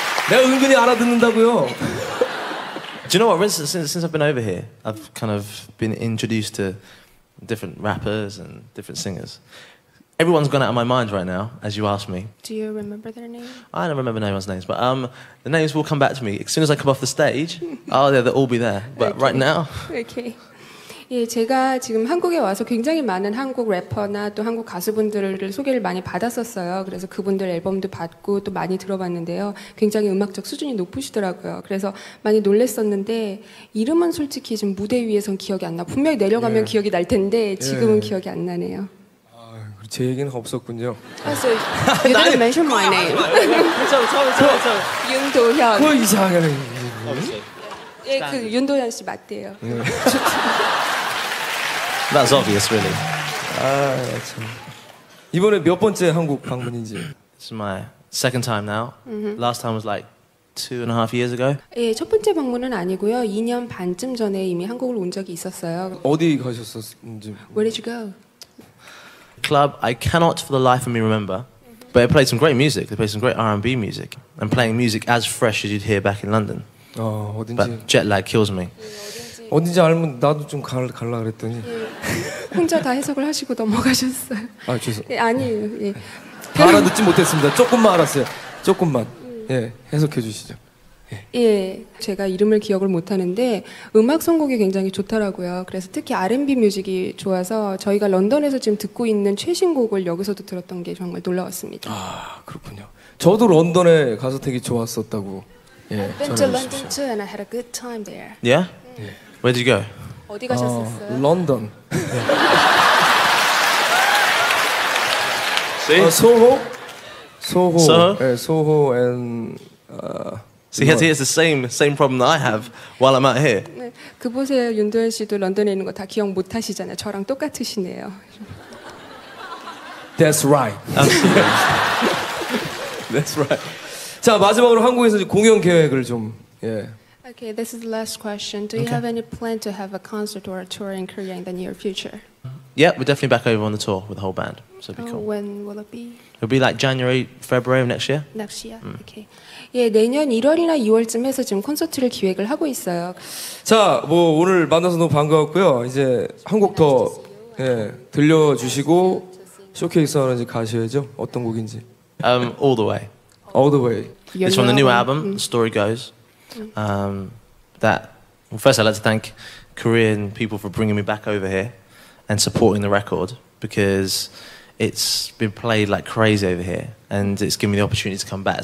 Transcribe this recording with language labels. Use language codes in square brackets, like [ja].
[ko] 내가 은근히 알아듣는다고요. [en] Do you know what? Since I've been over here, I've kind of been introduced to different rappers and different singers. Everyone's gone out of my mind right now, as you asked me. Do you remember their name? I don't remember anyone's names, but the names will come back to me. As soon as I come off the stage, oh, yeah, they'll all be there. But okay. right now... Okay. [ko] 예, 제가 지금 한국에 와서 굉장히 많은 한국 래퍼나 또 한국 가수분들을 소개를 많이 받았었어요. 그래서 그분들 앨범도 받고 또 많이 들어봤는데요. 굉장히 음악적 수준이 높으시더라고요. 그래서 많이 놀랐었는데 이름은 솔직히 지금 무대 위에선 기억이 안 나. 분명히 내려가면 예. 기억이 날 텐데 지금은 예. 기억이 안 나네요. 아, 제 얘기는 없었군요. [en] 아서 you didn't mention my name. [ko] 저 윤도현. 그 이상하네. 예, 그 윤도현 씨 맞대요. [en] That's obvious, really. [ko] 아, 참. 이번에 몇 번째 한국 방문인지. [en] It's my second time now. Last time was like 2.5 years ago. [ko] 예, 첫 번째 방문은 아니고요. 2년 반쯤 전에 이미 한국을 온 적이 있었어요. 어디 가셨었는지. [en] Where did you go? Club, I cannot for the life of me remember. But they played some great music. They played some great R&B music. And playing music as fresh as you'd hear back in London. [ko] 어, 어딘지. [en] But jet lag kills me. [ko] 어딘지 알면 나도 좀 갈라 그랬더니. 혼자 다 해석을 하시고 넘어가셨어요. 아, 죄송. 예, 아니에요. 예. 다 알아듣지 못했습니다. 조금만 알았어요. 조금만. 예, 해석해 주시죠. 예. 예, 제가 이름을 기억을 못하는데 음악 선곡이 굉장히 좋더라고요. 그래서 특히 R&B 뮤직이 좋아서 저희가 런던에서 지금 듣고 있는 최신 곡을 여기서도 들었던 게 정말 놀라웠습니다. 아, 그렇군요. 저도 런던에 가서 되게 좋았었다고. [en] 예, I've been to London too and I had a good time there. Yeah? Yeah. Where did you go? [ko] 어디 가셨었어요? 런던. [en] See? Soho? Soho? Soho and... See, he has the same problem that I have while I'm out here. [ko] 네, 그 보세요. 윤도현 씨도 런던에 있는 거 다 기억 못 하시잖아요. 저랑 똑같으시네요. [en] That's right. That's right. [ko] 자, 마지막으로 한국에서 공연 계획을 좀... 예. [en] Okay, this is the last question. Do you have any plan to have a concert or a tour in Korea in the near future? Yeah, we're definitely back over on the tour with the whole band. So it'll be cool. When will it be? It'll be like January, February of next year. Next year, okay. [ko] 예, 내년 1월이나 2월쯤에서 지금 콘서트를 기획을 하고 있어요. 자, 뭐 오늘 만나서 너무 반가웠고요. 이제 한 곡 더 예, 들려주시고 쇼케이스하러 이제 가셔야죠. 어떤 곡인지. [en] All the way. All the way. It's from the new album, The Story Goes. Well, first I'd like to thank Korean people for bringing me back over here and supporting the record because it's been played like crazy over here and it's given me the opportunity to come back.